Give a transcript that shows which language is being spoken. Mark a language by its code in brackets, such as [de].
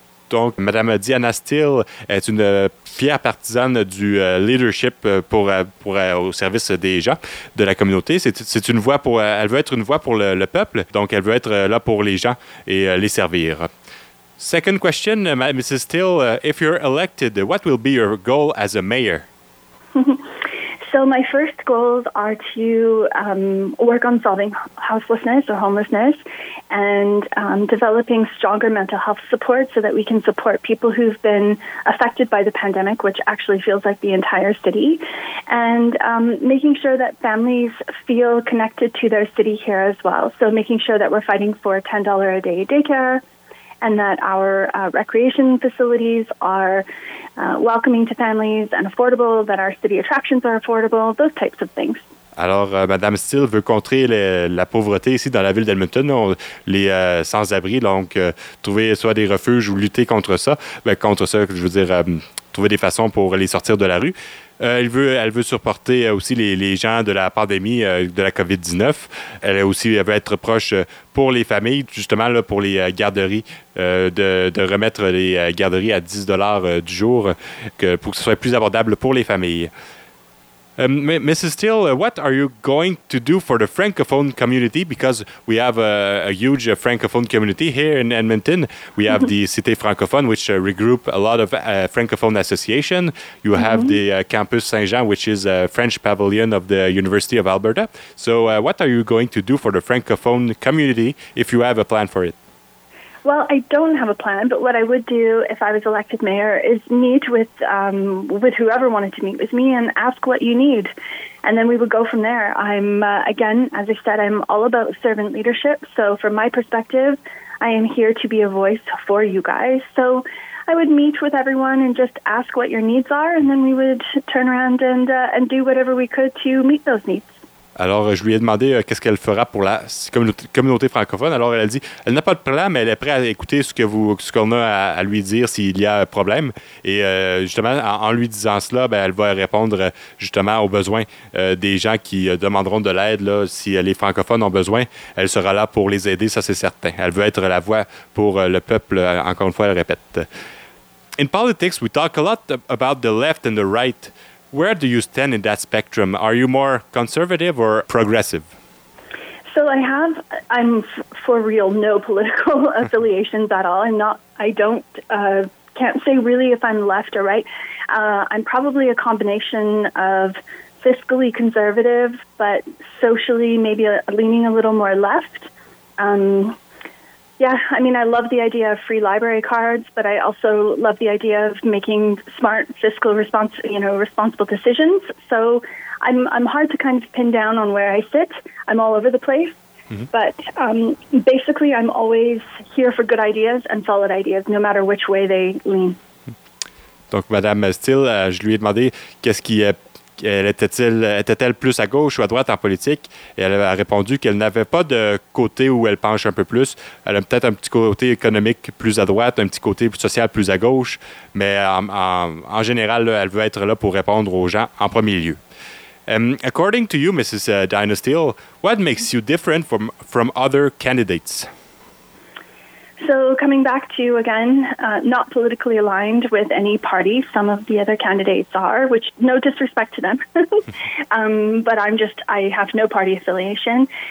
[fr] Donc, Madame Diana Steele est une fière partisane du leadership pour au service des gens, de la communauté. C'est une voix pour, elle veut être une voix pour le peuple. Donc, elle veut être là pour les gens et les servir. [en] Second question, Mrs. Steele, if you're elected, what will be your goal as a mayor? So my first goals are to work on solving houselessness or homelessness and developing stronger mental health support so that we can support people who've been affected by the pandemic, which actually feels like the entire city, and making sure that families feel connected to their city here as well. So making sure that we're fighting for $10 a day daycare and that our recreation facilities are welcoming to families and affordable, that our city attractions are affordable, those types of things. [fr] Alors, Madame Steele veut contrer la pauvreté ici dans la ville d'Edmonton, les sans-abri, donc trouver soit des refuges ou lutter contre ça, trouver des façons pour les sortir de la rue. Elle veut supporter aussi les gens de la pandémie de la COVID-19. Elle veut être proche pour les familles, justement là, pour les garderies, de remettre les garderies à 10$ du jour pour que ce soit plus abordable pour les familles. [en] Mrs. Steele, what are you going to do for the Francophone community? Because we have a huge Francophone community here in Edmonton. We have the Cité Francophone, which regroup a lot of Francophone association. You have the Campus Saint-Jean, which is a French pavilion of the University of Alberta. So what are you going to do for the Francophone community if you have a plan for it? Well, I don't have a plan, but what I would do if I was elected mayor is meet with whoever wanted to meet with me and ask what you need. And then we would go from there. I'm, again, as I said, I'm all about servant leadership. So from my perspective, I am here to be a voice for you guys. So I would meet with everyone and just ask what your needs are. And then we would turn around and do whatever we could to meet those needs. [fr] Alors, je lui ai demandé qu'est-ce qu'elle fera pour la communauté francophone. Alors, elle a dit, elle n'a pas de plan, mais elle est prête à écouter ce qu'on a à lui dire s'il y a un problème. Et justement, en lui disant cela, ben, elle va répondre justement aux besoins des gens qui demanderont de l'aide. Là, si les francophones ont besoin, elle sera là pour les aider, ça c'est certain. Elle veut être la voix pour le peuple, encore une fois, elle répète. [en] In politics, we talk a lot about the left and the right. Where do you stand in that spectrum? Are you more conservative or progressive? So I'm for real no political affiliations at all. I can't say really if I'm left or right. I'm probably a combination of fiscally conservative, but socially maybe leaning a little more left. I love the idea of free library cards, but I also love the idea of making smart fiscal responsible decisions. So I'm hard to kind of pin down on where I sit. I'm all over the place. Mm-hmm. But basically, I'm always here for good ideas and solid ideas, no matter which way they lean. [fr] Donc, Madame Steele, je lui ai demandé qu'est-ce qui est... Était-elle plus à gauche ou à droite en politique? Et elle a répondu qu'elle n'avait pas de côté où elle penche un peu plus. Elle a peut-être un petit côté économique plus à droite, un petit côté social plus à gauche. Mais en général, elle veut être là pour répondre aux gens en premier lieu. [en] According to you, Mrs. Diana Steele, what makes you different from other candidates? So coming back to, again, not politically aligned with any party, some of the other candidates are, which no disrespect to them, but I have no party affiliation.